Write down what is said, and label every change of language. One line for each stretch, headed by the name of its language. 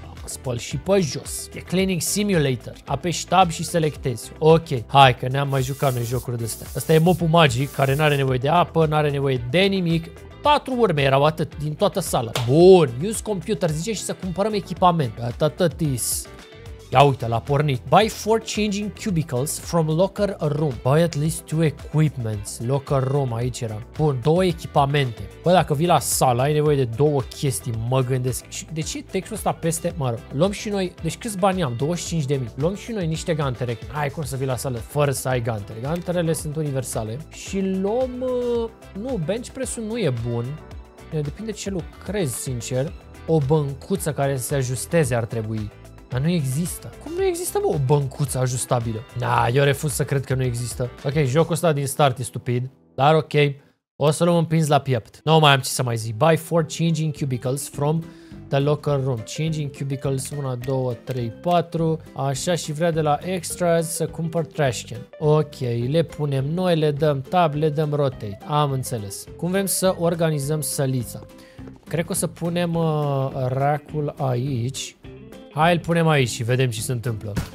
Romanian: spăl și pe jos. E Cleaning Simulator. Apeși tab și selectezi. Ok, hai că ne-am mai jucat noi jocuri de astea. Asta e mopul magic care n-are nevoie de apă, n-are nevoie de nimic. 4 urme erau atât din toată sala. Bun,
English: use computer,
Romanian: zice și să cumpărăm echipament. Atât is. Ia uite, l-a pornit.
English: Buy 4 changing cubicles from locker room. Buy at least 2 equipments.
Romanian: Locker room, aici era. Bun, 2 echipamente. Bă, dacă vii la sala, ai nevoie de 2 chestii, mă gândesc. De ce textul ăsta peste, mă rog. Luăm și noi, deci câți bani am? 25.000. Luăm și noi niște gantere. Ai cum să vii la sală fără să ai gantere. Ganterele sunt universale. Și luăm, nu, bench press-ul nu e bun. Depinde ce lucrezi, sincer. O băncuță care se ajusteze ar trebui. Dar nu există. Cum nu există, bă, o băncuță ajustabilă? Eu refuz să cred că nu există. Ok, jocul ăsta din start e stupid. Dar ok, o să luăm un pinz la piept. Nu mai am ce să mai zic.
English: Buy 4 changing cubicles from the locker room. Changing cubicles, 1, 2, 3, 4.
Romanian: Așa, și vrea de la extras să cumpăr trash can. Ok, le punem noi, le dăm tab, le dăm rotate. Am înțeles. Cum vrem să organizăm sălița? Cred că o să punem racul aici. Hai, îl punem aici și vedem ce se întâmplă.